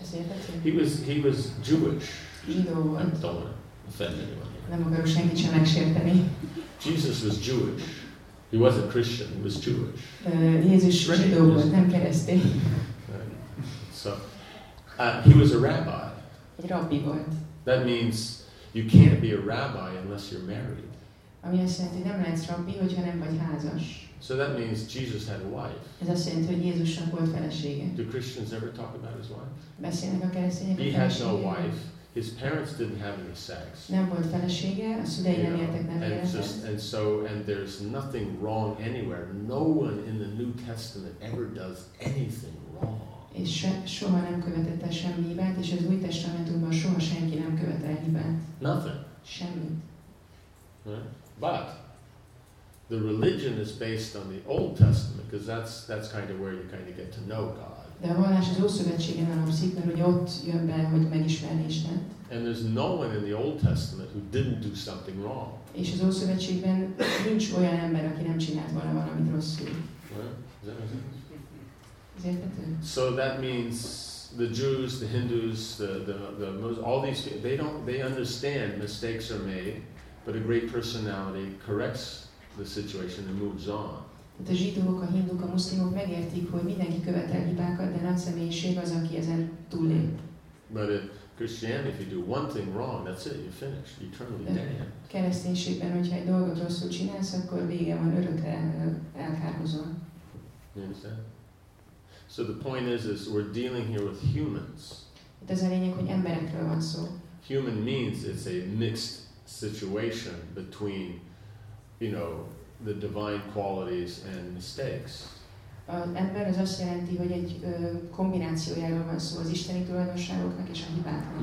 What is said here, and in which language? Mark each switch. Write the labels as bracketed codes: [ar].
[hu] Ez érthető? [en] He was Jewish. [hu] Zsidó volt. [en] Don't want to offend anyone. [hu] Nem akarok senkit sem megsérteni. [en] Jesus was Jewish. He wasn't Christian, he was Jewish. [hu] Jézus zsidó volt, nem keresztény. [en] So, he was a rabbi. [hu] Egy rabbi volt. [en] That means you can't be a rabbi unless you're married. [hu] Ami azt jelenti, nem lehetsz rabbi, hogyha nem vagy házas. [en] So that means Jesus had a wife. [hu] Ez azt jelenti, hogy Jézusnak volt felesége. [en] Do Christians ever talk about his wife? [hu] Beszélnek a keresztények a feleségével? [en] He had no wife. His parents didn't have any sex. [hu] Nem volt felesége, a szülei nem éltek nevéhez. [en] And there's nothing wrong anywhere. No one in the New Testament ever does anything wrong. [hu] És soha nem követett el semmi hibát, és az Új Testamentumban soha senki nem követ el hibát. [en] Nothing. [hu] Semmit. [en] But the religion is based on the Old Testament, because that's kind of where you kind of get to know God. [hu] De a vallás az Ószövetségen alapszik, mert hogy ott jön be, hogy megismerni Istent. [en] And there's no one in the Old Testament who didn't do something wrong. [hu] És az Ószövetségben nincs olyan ember, aki nem csinált volna valamit rosszul. [en] Well, is that right? So that means the Jews, the Hindus, the Muslims, all these people, they understand mistakes are made, but a great personality corrects the situation and moves on. [hu] Tehát a zsidók, a hinduk, a muszlimok megértik, hogy mindenki követel hibákat, de nagy személyiség az, aki ezen túllép. [en] But in Christianity, if you do one thing wrong, that's it, you're finished, eternally damned. [hu] Kereszténységben, hogyha egy dolgot rosszul csinálsz, akkor vége van, örökre elkárhozol. [en] You understand? So the point is we're dealing here with humans. [hu] Itt az a lényeg, hogy emberekről van szó. [en] Human means it's a mixed situation between, you know, the divine qualities and mistakes. [hu] Ebben ez azt jelenti, hogy egy kombinációjáról van szó, az isteni tulajdonságoknak és a hibáknak.